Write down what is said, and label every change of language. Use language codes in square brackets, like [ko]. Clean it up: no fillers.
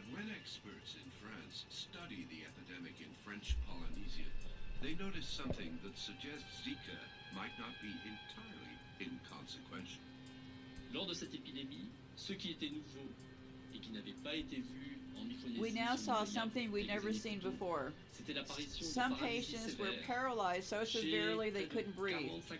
[en] Experts in France study the epidemic in French Polynesia. They notice something that suggests Zika might not be entirely inconsequential. [fr] Lors de cette épidémie, ce qui était nouveau et qui n'avait pas été vu en Micronésie. [en] We now saw something we'd never seen before. [fr] C'était l'apparition. [en] Some patients were paralyzed so severely they couldn't breathe.